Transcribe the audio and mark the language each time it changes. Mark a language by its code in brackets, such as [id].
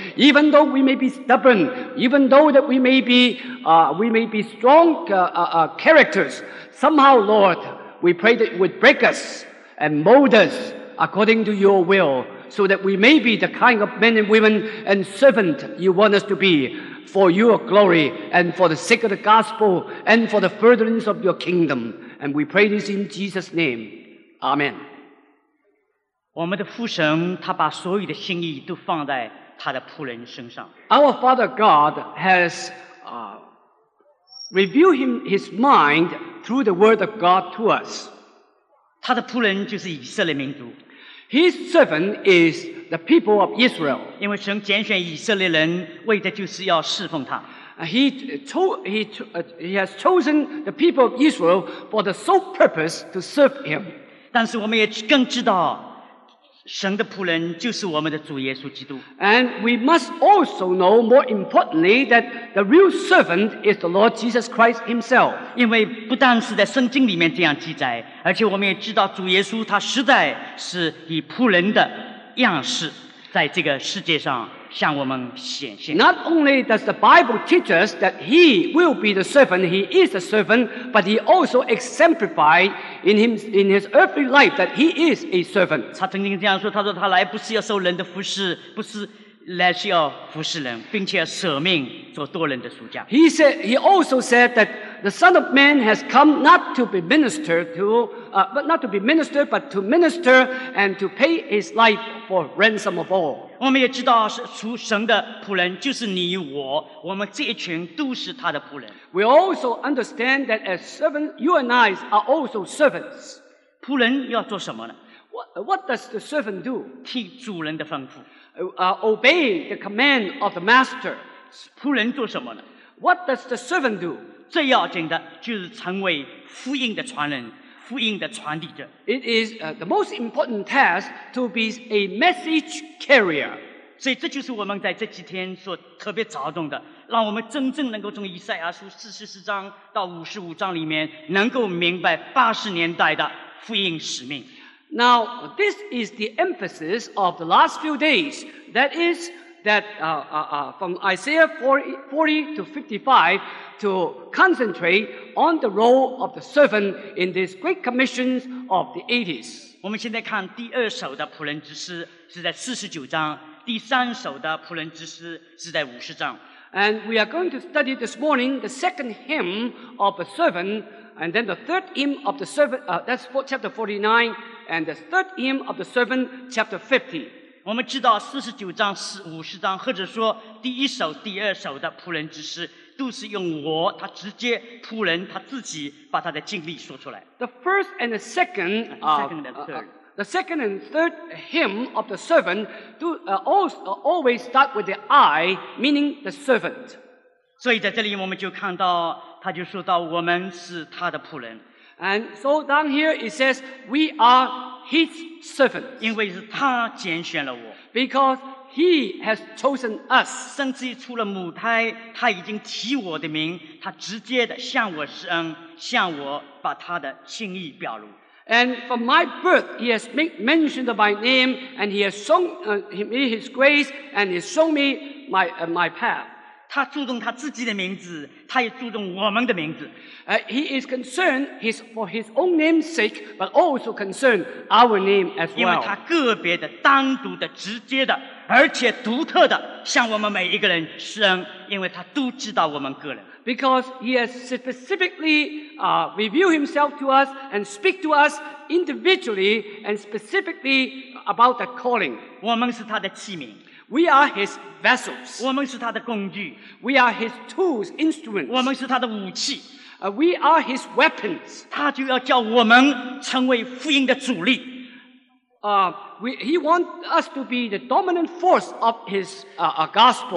[en] Even though we may be stubborn, even though that we may be strong characters, somehow, Lord, we pray that you would break us and mold us according to your will, so that we may be the kind of men and women and servant you want us to be, for your glory and for the sake of the gospel and for the furtherance of your kingdom. And we pray this in Jesus' name. Amen. [zh] 我们的父神，他把所有的心意都放在他的仆人身上。 [en] Our Father God has revealed his mind through the word of God to us. [zh] 他的仆人就是以色列民族。 [en] His servant is the people of Israel. [zh] 因为神拣选以色列人，为的就是要侍奉他。 [en] He has chosen the people of Israel for the sole purpose to serve him. [zh] 但是我们也更知道，神的仆人就是我们的主耶稣基督。 [en] And we must also know, more importantly, that the real servant is the Lord Jesus Christ himself. [zh] 因为不但是在圣经里面这样记载，而且我们也知道主耶稣他实在是以仆人的样式在这个世界上向我们显现。 [en] Not only does the Bible teach us that he will be the servant, he is the servant, but he also exemplified in his earthly life that he is a servant. [zh] 他曾经这样说，他说他来不是要受人的服侍，不是来是要服侍人，并且要舍命做多人的赎价。 [en] He also said that the Son of Man has come not to be ministered to, but not to be ministered, but to minister and to pay his life for ransom of all. [zh] 我们也知道，除神的仆人就是你我，我们这一群都是他的仆人。 [en] We also understand that as servants, you and I are also servants. [zh] 仆人要做什么呢？ [en] What does the servant do? [zh] 替主人的吩咐。 [en] Obey the command of the master. [zh] 仆人做什么呢？ [en] What does the servant do? [zh] 最要紧的就是成为福音的传人，福音的传递者。 [en] It is the most important task to be a message carrier. [zh] 所以这就是我们在这几天所特别着重的，让我们真正能够从以赛亚书44章到55章里面能够明白80年代的福音使命。 [en] Now, this is the emphasis of the last few days. That is, that from Isaiah 40 to 55, to concentrate on the role of the servant in this great commission of the 80s. [zh] 我们现在看第二首的仆人之诗是在49章，第三首的仆人之诗是在50章。 [en] And we are going to study this morning the second hymn of a servant, and then the third hymn of the servant, that's for chapter 49,And the third hymn of the servant, chapter 50. [zh] 我们知道四十九章、五十章，或者说第一首、第二首的仆人之诗，都是用我，他直接仆人他自己把他的经历说出来。 [en] The first and the second, the second and third hymn of the servant do always start with the I, meaning the servant. [zh] 所以在这里我们就看到，他就说到我们是他的仆人。 [en] And so down here it says, we are his servants. [zh] 因为是他拣选了我。 [en] Because he has chosen us. [zh] 甚至于除了母胎，他已经提我的名，他直接的向我施恩，向我把他的心意表露。 [en] And from my birth, he has mentioned my name, and he has shown me his grace, and he has shown me my path. [zh] 他注重他自己的名字，他也注重我们的名字。 [en] He is concerned his, for his own name's sake, but also concerned our name as well. [zh] 因为他个别的、单独的、直接的，而且独特的向我们每一个人施恩，因为他都知道我们个人。 [en] Because he has specifically revealed himself to us and speak to us individually and specifically about the calling. [zh] 我们是他的器皿。 [en] We are his vessels. [zh] 我们是他的工具。 [en] We are his tools, instruments. [zh] 我们是他的武器。 [en] We are his weapons. [zh] 他就要叫我们成为福音的主力。 [en] He wants us to be the dominant force of his gospel.